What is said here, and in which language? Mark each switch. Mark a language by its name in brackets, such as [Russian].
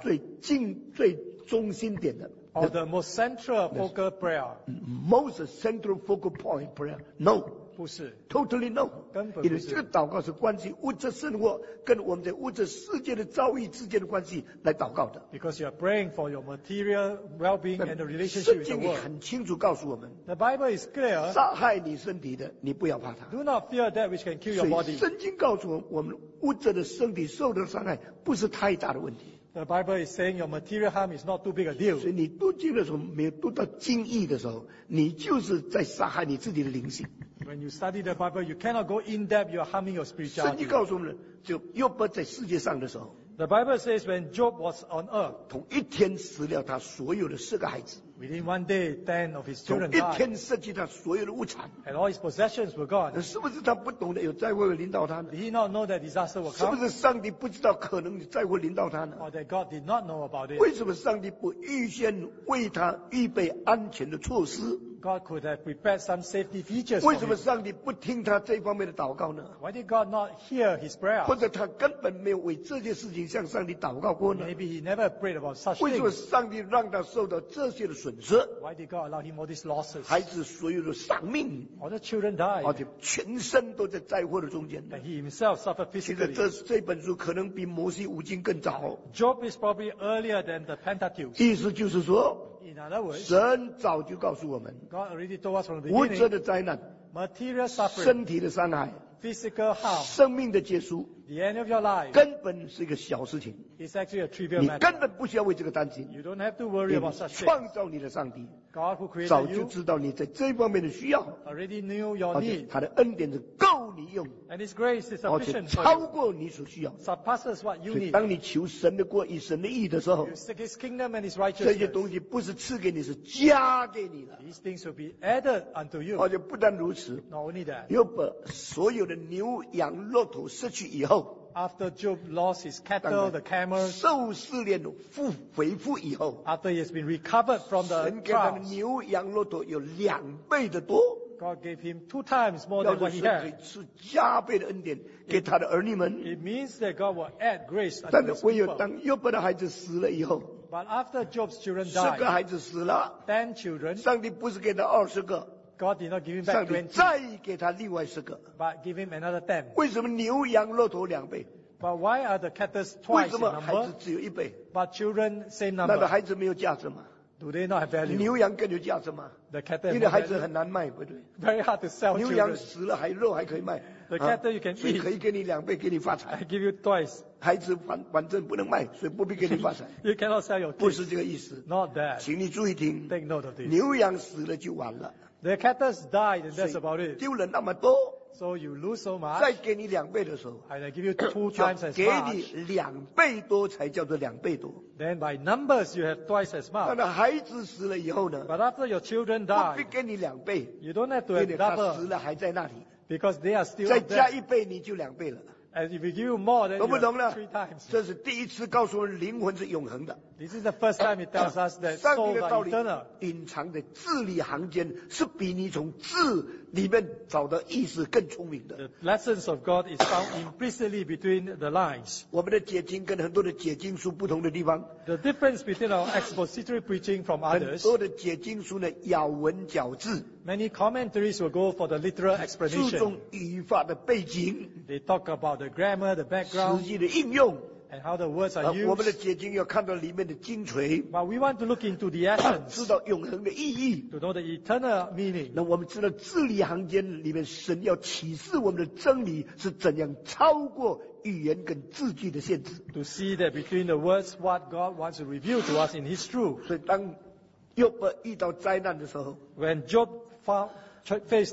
[Chinese] 最近最中心点的 [English] ，or the most central focal prayer？ Most central focal point prayer？ No。 [Chinese] 不是 [English] ，totally no， [Chinese] 根本不是。因为这个祷告是关系物质生活跟我们在物质世界的遭遇之间的关系来祷告的。 [English] Because you are praying for your material well-being and the relationship with the world。 [Chinese] 圣经很清楚告诉我们 [English] ，The Bible is clear。 [Chinese] 杀害你身体的，你不要怕他。 [English] Do not fear that which can kill your body。 [Chinese] 所以圣经告诉我们，物质的身体受的伤害不是太大的问题。 [English] The Bible is saying your material harm is not too big a deal. [Chinese] 所以你读经的时候，没有读到经义的时候，你就是在杀害你自己的灵性。 [English] When you study the Bible, you cannot go in depth. You are harming your spirituality. [Chinese] 圣经告诉我们，就约伯在世界上的时候。 [English] The Bible says when Job was on earth, [Chinese] 同一天死了他所有的四个孩子。 [English] Within one day, 10 of his children died. [Chinese] 同一天失去他所有的物产。 [English] And all his possessions were gone. [Chinese] 是不是他不懂得有灾祸临到他呢 [English] ？Did he not know that disaster will come? [Chinese] 是不是上帝不知道可能灾祸临到他呢 [English] ？Or that God did not know about it? [Chinese] 为什么上帝不预先为他预备安全的措施 [English] ？God could have prepared some safety features. [Chinese] 为什么上帝不听他这方面的祷告呢 [English] ？Why did God not hear his prayer? [Chinese] 或者他根本没有为这件事情向上帝祷告过呢 [English] ？Maybe he never prayed about such things. [Chinese] 为什么上帝让他受到这些的损？ [English] Why did God allow him all these losses? [Chinese] 孩子所有的丧命 [English] ，All the children died. [Chinese] 而且全身都在灾祸的中间。 [English] And he himself suffered physically. [Chinese] 其实这本书可能比摩西五经更早。 [English] Job is probably earlier than the Pentateuch. [Chinese] 意思就是说 [English] ，In other words, [Chinese] 神早就告诉我们 [English] ，God already told us from the beginning. [Chinese] 物质的灾难 [English] ，material suffering， [Chinese] 身体的伤害 [English] ，physical harm， [Chinese] 生命的结束。 [English] The end of your life [Chinese] 根本是一个小事情 [English] It's actually a trivial matter. [Chinese] 你根本不需要为这个担心 [English] You don't have to worry about such things. [Chinese] 创造你的上帝 [English] God who created [Chinese] 早就知道你在这方面的需要 [English] Already knew your need. [Chinese] 他的恩典是够你用 [English] And his grace is sufficient for you. [Chinese] 超过你所需要 [English] Surpasses what you need. [Chinese] 所以当你求神的国与神的义的时候 [English] You seek his kingdom and his righteousness. [Chinese] 这些东西不是赐给你是加给你的 [English] These things will be added unto you. [Chinese] 而且不但如此 [English] Not only that. [Chinese] 又把所有的牛羊骆驼失去以后 [English] After Job lost his cattle, the camels. [Chinese] 受试炼回复以后 [English] After he has been recovered from the trials. [Chinese] 神给他们牛羊骆驼有两倍的多 [English] God gave him two times more than what he had. [Chinese] 是加倍的恩典给他的儿女们 [English] It means that God will add grace unto his people. [Chinese] 但是唯有当约伯的孩子死了以后 [English] But after Job's children died. [Chinese] 十个孩子死了 [English] Ten children. [Chinese] 上帝不是给他二十个 [English] God did not give him back 20, [Chinese] 上帝再给他另外十个 [English] but give him another 10. [Chinese] 为什么牛羊骆驼两倍 [English] but why are the cattle twice number [Chinese] 为什么孩子只有一倍 [English] but children same number [Chinese] 那个孩子没有价值吗 [English] do they not have value [Chinese] 牛羊更有价值吗 [English] the cattle [Chinese] 因为孩子很难卖不对 [English] very hard to sell [Chinese] 牛 [English] children [Chinese] 牛羊死了还肉还可以卖 [English] the cattle you can eat [Chinese] 所以可以给你两倍给你发财 [English] I give you twice [Chinese] 孩子 反正不能卖所以不必给你发财 [English] you cannot sell your kids [Chinese] 不是这个意思 [English] not that [Chinese] 请你注意听 [English] take note of this [Chinese] 牛羊死了就完了 [English] The cattle died, and that's about it. [Chinese] 丢了那么多 [English] So you lose so much. [Chinese] 再给你两倍的时候, [English] and I give you two times as much. [Chinese] 给你两倍多才叫做两倍多。 [English] Then by numbers you have twice as much. [Chinese] 但孩子死了以后呢, [English] but after your children die, [Chinese] 不必给你两倍, [English] you don't have to have double. [Chinese] 死了还在那里, [English] because they are still [Chinese] 再加一倍你就两倍了。 [English] And if you give you more, then you have three times. [Chinese] 这是第一次告诉我们灵魂是永恒的。 [English] This is the first time it tells us that soul is eternal. [Chinese] 隐藏的字里行间是比你从字里面找的意思更聪明的。 [English] The lessons of God is found implicitly between the lines. [Chinese] 我们的解经跟很多的解经书不同的地方。 [English] The difference between our expository preaching from others. [Chinese] 很多的解经书呢咬文嚼字。 [English] Many commentaries will go for the literal explanation. [Chinese] 注重语法的背景。 [English] They talk about the grammar, the background. [Chinese] 实际的应用。 [English] And how the words are used. [Chinese] 我们的解经要看到里面的精髓。 [English] But we want to look into the essence. [Chinese] 知道永恒的意义。 [English] To know the eternal meaning. [Chinese] 那我们知道字里行间里面神要启示我们的真理是怎样超过语言跟字句的限制。 [English] To see that between the words what God wants to reveal to us in His truth. [Chinese] 所以当 Job 遇到灾难的时候, [English] when Job faced the challenges,